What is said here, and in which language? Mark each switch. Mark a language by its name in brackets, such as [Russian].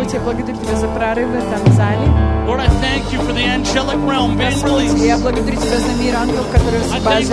[Russian] Господь, я благодарю тебя за прорыв в этом зале. [English] Lord, I thank you for the angelic realm being released. [Russian] Я благодарю тебя за мир ангелов, который освобождается.